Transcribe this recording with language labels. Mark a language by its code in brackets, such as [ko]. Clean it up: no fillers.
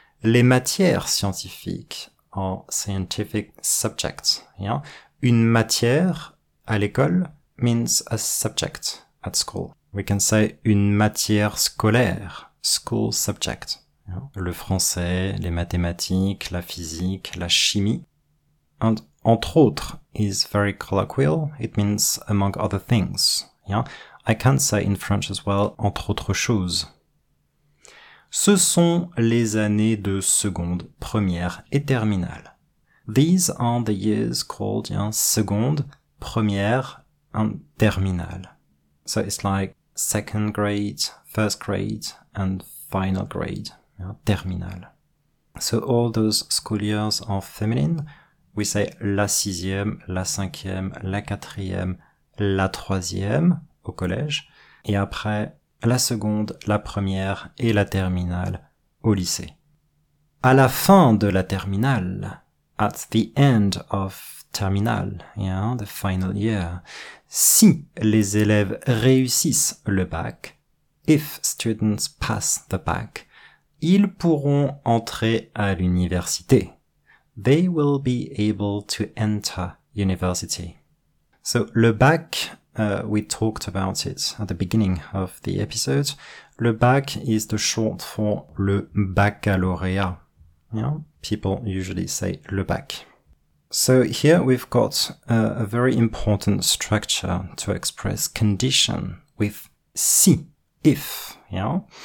[en] Les matières scientifiques are scientific subjects. Yeah? Une matière à l'école means a subject at school. We can say une matière scolaire, school subject. [fr] Le français, les mathématiques, la physique, la chimie. [en] And entre autres is very colloquial. It means among other things. Yeah? I can say in French as well, [fr] entre autres choses. Ce sont les années de seconde, première et terminale. [en] These are the years called seconde, première and terminale. So it's like second grade, first grade and final grade. Terminale. So all those school years are feminine. We say [fr] la sixième, la cinquième, la quatrième, la troisième au collège. Et après, la seconde, la première et la terminale au lycée. À la fin de la terminale, [en] at the end of terminal, the final year, [fr] si les élèves réussissent le bac, [en] if students pass the bac, [fr] ils pourront entrer à l'université. [en] They will be able to enter university. So, le bac, we talked about it at the beginning of the episode. Le bac is the short for le baccalauréat. Yeah? People usually say le bac. So, here we've got a very important structure to express condition with si. If, yeah.